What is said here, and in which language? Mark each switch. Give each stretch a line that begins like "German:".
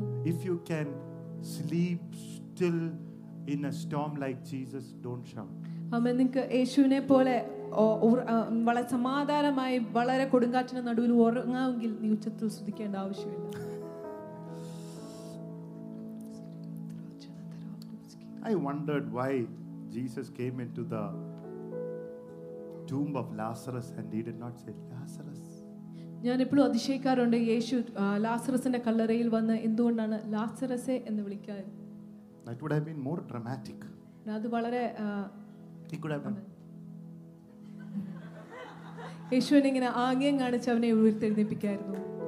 English: If you can sleep still in a storm like Jesus, don't shout. Amen.
Malayalam: നിങ്ങൾക്ക് യേശുവിനെ പോലെ വളരെ സമാധാനമായി വളരെ കൊടുങ്കാറ്റിന് നടുവിൽ ഉറങ്ങാമെങ്കിൽ നീ ഉച്ചത്തിൽ ശ്രദ്ധിക്കേണ്ട ആവശ്യമില്ല.
English: I wondered why Jesus came into the tomb of Lazarus and he did not say Lazarus.
Malayalam: ഞാൻ എപ്പോഴും അതിശയിക്കാറുണ്ട് യേശു ലാസറസിന്റെ കല്ലറയിൽ വന്ന് എന്തുകൊണ്ടാണ് ലാസറസേ എന്ന് വിളിക്കാറ്.
English: That would have been more dramatic.
Malayalam: അത് വളരെ
English: he could have done.
Malayalam: യേശുവിനെ ഇങ്ങനെ ആംഗ്യം കാണിച്ച് അവനെ ഉയർത്തെഴുന്നേൽപ്പിക്കായിരുന്നു.